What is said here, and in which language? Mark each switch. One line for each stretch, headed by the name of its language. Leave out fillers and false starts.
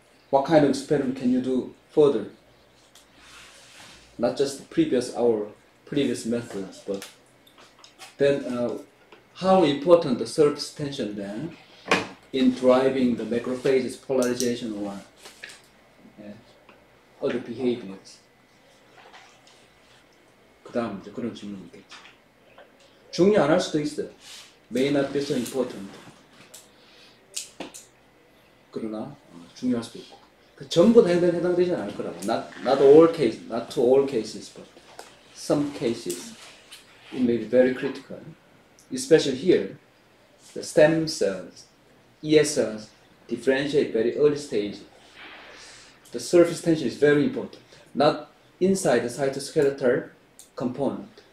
English: What kind of experiment can you do further? Not just our previous methods, but then how important the surface tension then in driving the macrophages polarization or other behaviors?
Korean: 그 다음 이제 그런 질문이 있겠지. 중요 안 할 수도 있어요.
English: May not be so important.
Korean: 그러나 중요할 수도 있고. 그 전부 다 해당되지는 않을 거라고.
English: Not all cases, not to all cases, but some cases. It may be very critical. Especially here, the stem cells, ESLs, differentiate very early stage. The surface tension is very important. Not inside the cytoskeletal, component.